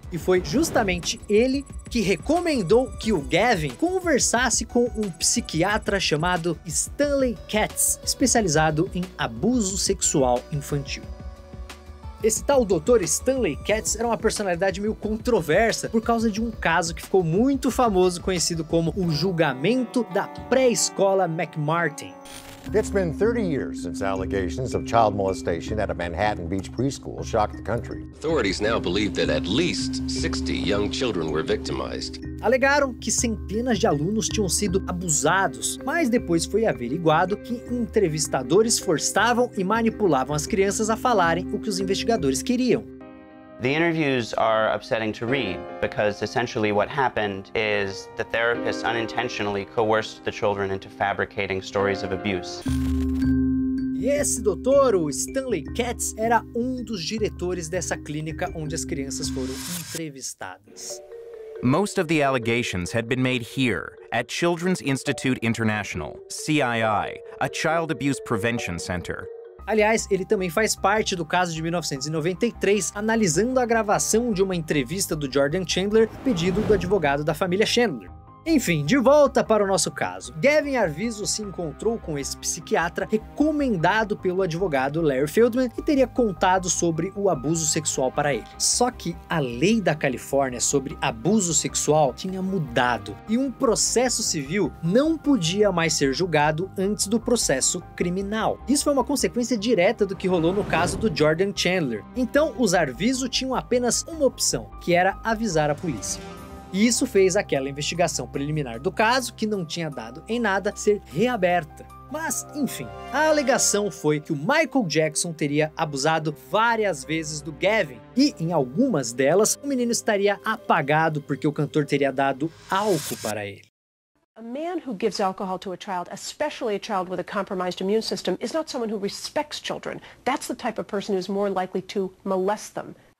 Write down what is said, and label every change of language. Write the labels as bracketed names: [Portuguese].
[Portuguese] E foi justamente ele que recomendou que o Gavin conversasse com um psiquiatra chamado Stanley Katz, especializado em abuso sexual infantil. Esse tal Dr. Stanley Katz era uma personalidade meio controversa por causa de um caso que ficou muito famoso, conhecido como o julgamento da pré-escola McMartin. [English] It's been 30 years since allegations of child molestation at a Manhattan Beach preschool shocked the country. Authorities now believe that at least 60 young children were victimized. [Portuguese] Alegaram que centenas de alunos tinham sido abusados, mas depois foi averiguado que entrevistadores forçavam e manipulavam as crianças a falarem o que os investigadores queriam. [English] The interviews are upsetting to read because essentially what happened is the therapist unintentionally coerced the children into fabricating stories of abuse. [Portuguese] E esse doutor, o Stanley Katz, era um dos diretores dessa clínica onde as crianças foram entrevistadas. [English] Most of the allegations had been made here at Children's Institute International, CII, a child abuse prevention center. [Portuguese] Aliás, ele também faz parte do caso de 1993, analisando a gravação de uma entrevista do Jordan Chandler, a pedido do advogado da família Chandler. Enfim, de volta para o nosso caso. Gavin Arvizo se encontrou com esse psiquiatra recomendado pelo advogado Larry Feldman e teria contado sobre o abuso sexual para ele. Só que a lei da Califórnia sobre abuso sexual tinha mudado e um processo civil não podia mais ser julgado antes do processo criminal. Isso foi uma consequência direta do que rolou no caso do Jordan Chandler. Então, os Arvizo tinham apenas uma opção, que era avisar a polícia. E isso fez aquela investigação preliminar do caso, que não tinha dado em nada, ser reaberta. Mas, enfim, a alegação foi que o Michael Jackson teria abusado várias vezes do Gavin e, em algumas delas, o menino estaria apagado porque o cantor teria dado álcool para ele. [English] A man who gives alcohol to a child, especially a child with a compromised immune system, is not someone who respects children. That's the type of person who is more likely to molest them.